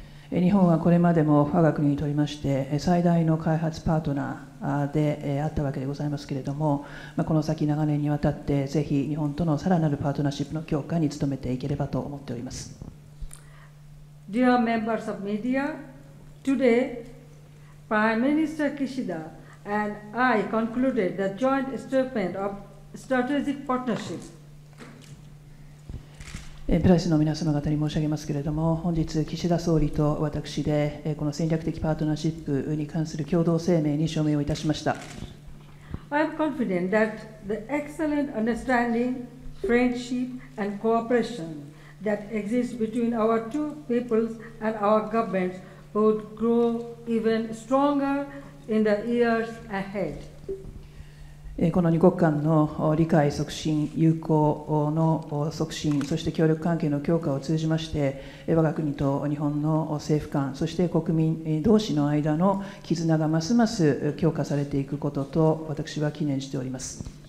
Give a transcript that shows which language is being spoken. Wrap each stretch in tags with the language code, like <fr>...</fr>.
<ja>日本はこれまでも我が国にとりまして最大の開発パートナーであったわけでございますけれども、この先長年にわたってぜひ日本とのさらなるパートナーシップの強化に努めていければと思っております。</ja> <en>Dear members of media, today Prime Minister Kishida and I concluded the joint statement of strategic partnership.</en> <ja>プライスの皆様方に申し上げますけれども、本日岸田総理と私でこの戦略的パートナーシップに関する共同声明に署名をいたしました。</ja> <en>I am confident that the excellent understanding, friendship and cooperation that exists between our two peoples and our governments would grow even stronger in the years ahead.</en> <ja>この2国間の理解促進、友好の促進、そして協力関係の強化を通じまして、我が国と日本の政府間、そして国民同士の間の絆がますます強化されていくことと、私は記念しております。</ja>